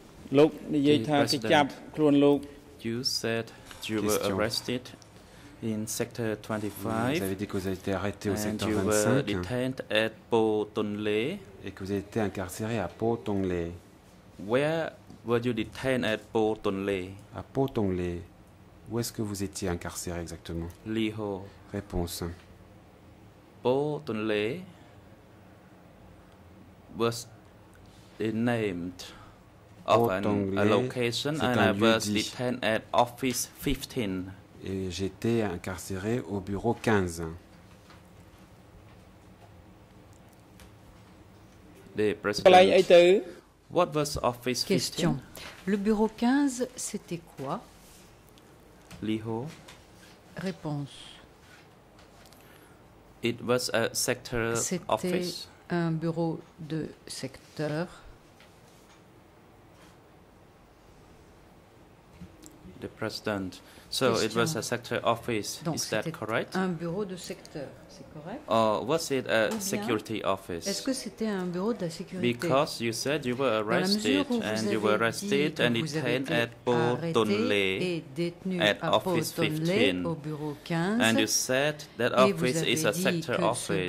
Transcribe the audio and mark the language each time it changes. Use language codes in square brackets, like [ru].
[en] Look, the President, you said you were arrested in Sector 25. [fr] Vous avez dit que vous avez été arrêté au secteur 25. [en] And you were detained at Bo Tung Lay. [fr] Et que vous avez été incarcéré à Bo Tung Lay. [en] Where were you detained at Bo Tung Lay? [fr] À Bo Tung Lay. Où est-ce que vous étiez incarcéré exactement? [en] Lee Ho. [fr] Réponse. [en] Bo Tung Lay was named. Bo Tung Lay, a location, [fr] c'est [en] and [fr] un [en] I was detained at office 15. [fr] Et j'étais incarcéré au bureau 15. [en] The president. What was office 15? [fr] Question. Le bureau 15, c'était quoi? [en] Lee Ho. [fr] Réponse. [en] It was a sector [fr] c'était [en] office. [fr] C'était un bureau de secteur. [en] The president. So [fr] question. [en] It was a sector office. [fr] Donc [en] is that correct? [fr] Un bureau de secteur, c'est correct? [en] Or was it a security office? [fr] Est-ce que c'était un bureau de la sécurité? [en] Because you said you were arrested and you were arrested and detained at Bo Tung Lay at office 15. [fr] Au bureau 15. [en] And you said that office is a sector office.